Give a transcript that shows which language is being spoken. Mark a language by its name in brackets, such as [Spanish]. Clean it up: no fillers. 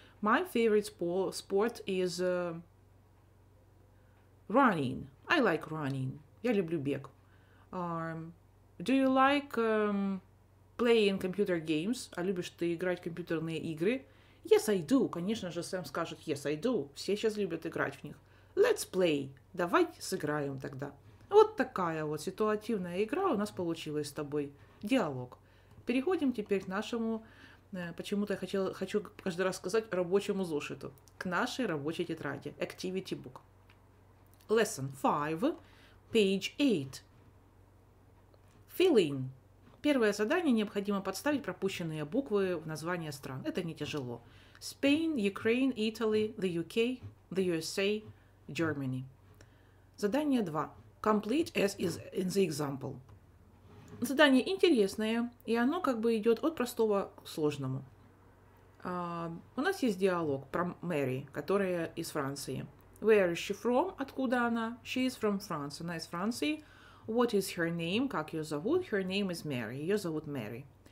[English] My favorite sport is running. I like running. [Russian] Я люблю бег. [English] Do you like playing computer games? [Russian] А любишь ты играть в компьютерные игры? [English] Yes, I do. [Russian] Конечно же, Сэм скажет, [English] yes, I do. [Russian] Все сейчас любят играть в них. [English] Let's play. [Russian] Давай сыграем тогда. Вот такая вот ситуативная игра у нас получилась с тобой. Диалог. Переходим теперь к нашему, почему-то я хочу каждый раз сказать, рабочему зошиту. К нашей рабочей тетради. [English] Activity book. Lesson 5, page 8. Fill in. [Russian] Первое задание необходимо подставить пропущенные буквы в названия стран. Это не тяжело. Spain, Ukraine, Italy, the UK, the USA, Germany. Задание 2. [English] Complete as is in the example. [Russian] Задание интересное, и оно как бы идет от простого к сложному. У нас есть диалог про Мэри, которая из Франции. [English] Where is she from? [Russian] Откуда она? [English] She is from France. [Russian] Она из Франции. [English] What is her name? [Russian] Как ее зовут? [English] Her name is Mary. [Russian] Ее зовут Мэри.